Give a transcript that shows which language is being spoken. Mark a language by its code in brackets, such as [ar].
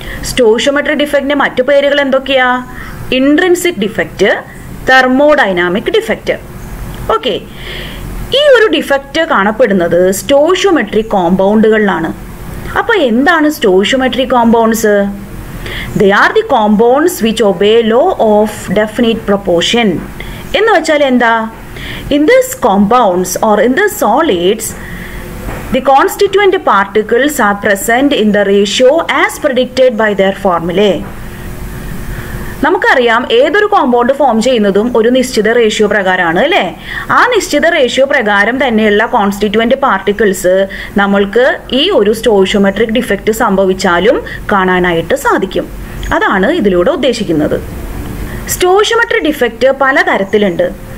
[ml] Stoichiometric ഡിഫക്റ്റിന്റെ മറ്റു പേരുകൾ എന്തൊക്കെയാ? Intrinsic defect, thermodynamic defect. Okay, ഈ ഒരു ഡിഫക്റ്റ് കാണപ്പെടുന്നത് സ്റ്റോഷ്യോമെട്രിക് കോമ്പൗണ്ടുകളിലാണ്. അപ്പൊ എന്താണ് stoichiometric compounds? [en] They are the compounds which obey law of definite proportion. [ml] എന്ന് വെച്ചാൽ എന്താ? [en] In this compounds or in this solids The constituent particles are present in the ratio as predicted by their formula. [ml] നമുക്കറിയാം ഏതൊരു compound form ചെയ്യുന്നതും ഒരു നിശ്ചിത ratio പ്രകാരമാണ് അല്ലേ. ആ നിശ്ചിത റേഷ്യോ പ്രകാരം തന്നെയുള്ള കോൺസ്റ്റിറ്റുവന്റ് പാർട്ടിക്കിൾസ് നമ്മൾക്ക് ഈ ഒരു സ്റ്റോഷ്യോമെട്രിക് ഡിഫക്റ്റ് സംഭവിച്ചാലും കാണാനായിട്ട് സാധിക്കും. അതാണ് ഇതിലൂടെ ഉദ്ദേശിക്കുന്നത്. Stoichiometric defect പലതരത്തിലുണ്ട്.